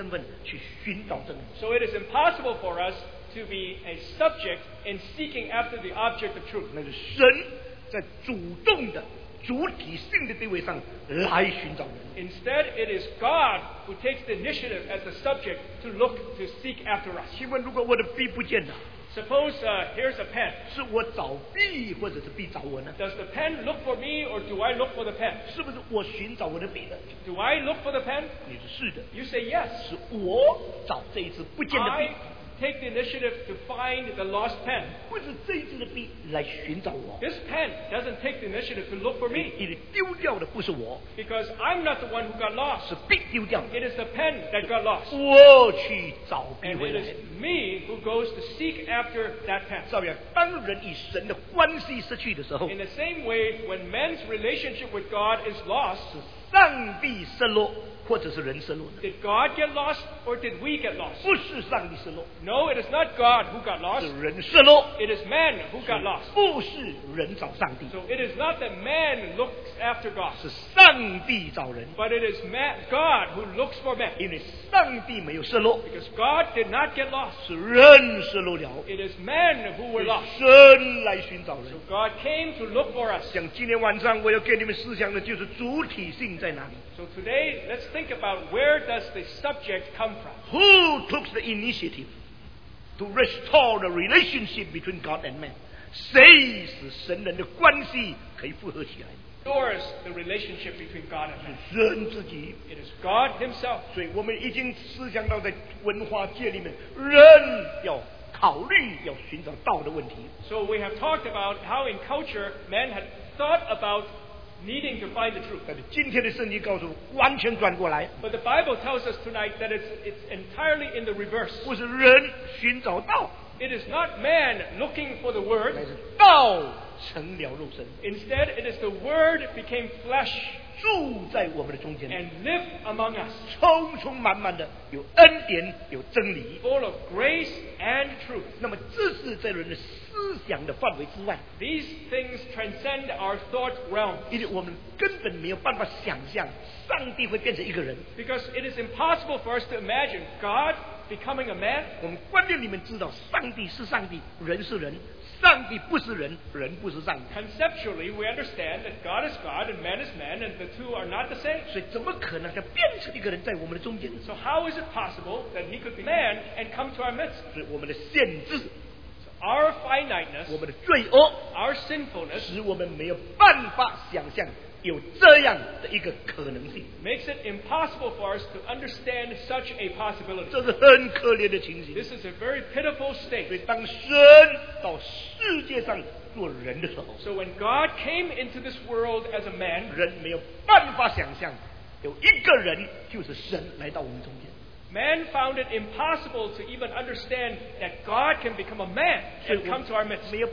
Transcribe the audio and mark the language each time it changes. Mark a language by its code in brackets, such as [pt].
[zh] 所以我们不可能以主体性的身份去寻找真理, [en] so it is impossible for us to be a subject in seeking after the object of truth. [zh] 那是神在主动的, 主体性的地位上来寻找人, [en] instead, it is God who takes the initiative as the subject to look to seek after us. [zh] 请问如果我的笔不见了, [en] suppose here's a pen. [zh] 是我找笔或者是笔找我呢? [en] Does the pen look for me or do I look for the pen? [zh] 是不是我寻找我的笔呢? [en] Do I look for the pen? [zh] 你是的, [en] you say yes. [zh] 是我找这一支不见的笔, [en] take the initiative to find the lost pen. [zh] 不是这一支的笔来寻找我, [en] this pen doesn't take the initiative to look for me. [zh] 你丢掉的不是我, [en] because I'm not the one who got lost. [zh] 是笔丢掉的, [en] it is the pen that got lost. [zh] 我去找笔回来, [en] and it is me who goes to seek after that pen. [zh] 照样当人与神的关系失去的时候, [en] in the same way, when man's relationship with God is lost, [zh] 是上帝失落, 或者是人失落的, [en] did God get lost or did we get lost? [zh] 不是上帝失落, [en] no, it is not God who got lost. [zh] 是人失落, [en] it is man who got lost. [zh] 不是人找上帝, [en] so it is not that man looks after God. [zh] 是上帝找人, [en] but it is man, God who looks for man. [zh] 因为上帝没有失落, [en] because God did not get lost. [zh] 是人失落了, [en] it is man who were lost. [zh] 神来寻找人, [en] so God came to look for us. [zh] 像今天晚上我要给你们思想的就是主体性在哪里, [en] so today, let's think about where does the subject come from? Who took the initiative to restore the relationship between God and man? [zh] 谁使神人的关系可以复合起来? [en] Restores the relationship between God and man. It is God himself. [zh] 所以我们已经思想到在文化界里面人要 考虑要寻找道的问题, [en] so we have talked about how in culture man had thought about needing to find the truth. [zh] 但是今天的圣经告诉我完全转过来, [en] but the Bible tells us tonight that it's entirely in the reverse. [zh] 不是人寻找道, [en] it is not man looking for the word. [zh] 乃是道成了肉身, [en] instead it is the word became flesh, [zh] 住在我们的中间, [en] and live among us, [zh] 充充满满的, 有恩典, 有真理, [en] full of grace and truth. [zh] 那么这是在人的思想的范围之外, [en] these things transcend our thought realm, [zh] 因为我们根本没有办法想象上帝会变成一个人, [en] because it is impossible for us to imagine God becoming a man. [zh] 我们观念里面知道上帝是上帝, 人是人, 上帝不是人, 人不是上帝, [en] conceptually we understand that God is God and man is man, and the two are not the same. [zh] 所以怎么可能他变成一个人在我们的中间? [en] So how is it possible that he could be man and come to our midst? [zh] 所以我们的限制, [en] so our finiteness, [zh] 我们的罪恶, [en] our sinfulness, [zh] 使我们没有办法想象 有这样的一个可能性, [en] makes it impossible for us to understand such a possibility. [zh] 这是很可怜的情形, [en] this is a very pitiful state. [zh] 所以当神到世界上做人的时候, [en] so when God came into this world as a man, [zh] 人没有办法想象 有一个人就是神来到我们中间, [en] man found it impossible to even understand that God can become a man and come to our midst.